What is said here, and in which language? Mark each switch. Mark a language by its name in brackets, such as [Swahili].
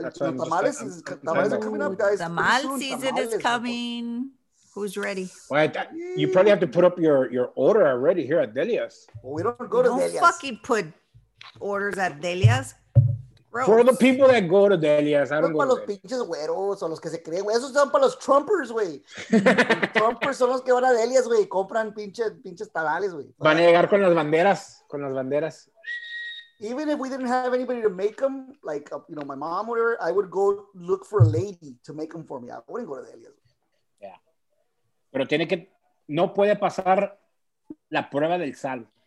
[English] Tamales are coming up, guys. Tamal season is coming. Who's ready? Well, you probably have to put up your order already here at Delia's. Well, we don't go to Delia's. Don't fucking put orders at Delia's. Gross. For the people that go to Delia's, I don't go [Spanish] para los pinches güeros o los que se creen, güey. Esos son para los Trumpers, güey. Trumpers son los que van a Delia's, güey. Compran pinches tamales, güey. Van a llegar con las banderas. Con las banderas. [English] Even if we didn't have anybody to make them, like, you know, my mom or I would go look for a lady to make them for me. I wouldn't go to Delia's. [Spanish] Pero tiene que, no puede pasar la prueba del sal.